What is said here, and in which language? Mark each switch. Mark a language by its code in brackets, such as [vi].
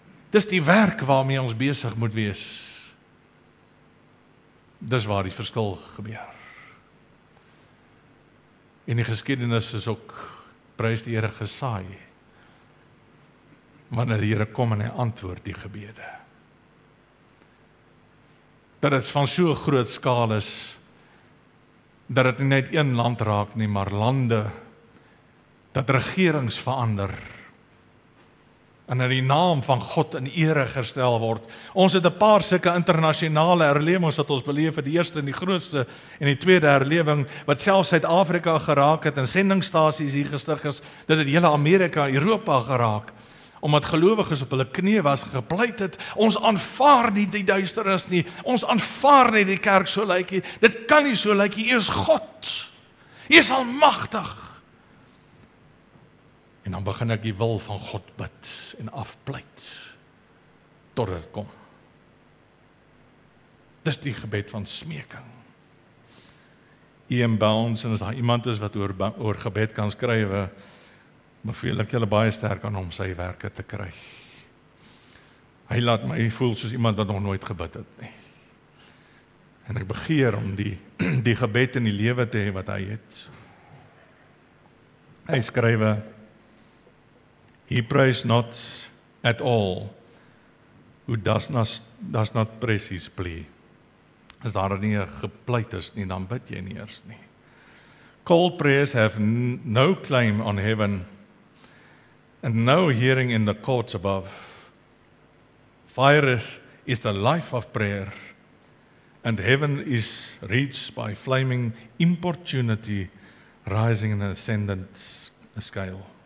[af] Dis die werk waarmee ons besig moet wees. Dis waar die verskil gebeur. En die geskiedenis is ook, prys die Here, gesaai. Wanneer die Here kom en hy antwoord die gebede. Dat het van so groot skaal is, dat het nie net een land raak nie, maar lande, dat regerings verander, en in die naam van God in ere gestel word. Ons het 'n paar sulke internasionale herlewings wat ons beleef het, die eerste en die grootste, en die tweede herlewing, wat selfs Suid-Afrika geraak het, en sendingstasies hier gestig is, dat het hele Amerika, Europa geraak, omdat gelowiges op hulle knie was, gepleit het, ons aanvaar nie die duisternis nie, ons aanvaar nie die kerk so lykie, dit kan nie so lykie, U is God, U is almagtig, en dan begin ek die wil van God bid en afpleit tot dit kom. Dis die gebed van smeking. Ian Bounds, en as daar iemand is wat oor gebed kan skrywe, beveel ek julle baie sterk aan om sy werke te kry. Hy laat my voel soos iemand wat nog nooit gebid het nie. En ek begeer om die gebed in die lewe te hê wat hy het. Hy skrywe, [en] He prays not at all, who does not press his plea. [af] As daar nie gepleit is nie, dan bid jy nie eers nie. [en] Cold prayers have no claim on heaven, and no hearing in the courts above. Fire is the life of prayer, and heaven is reached by flaming importunity rising in an ascendant scale.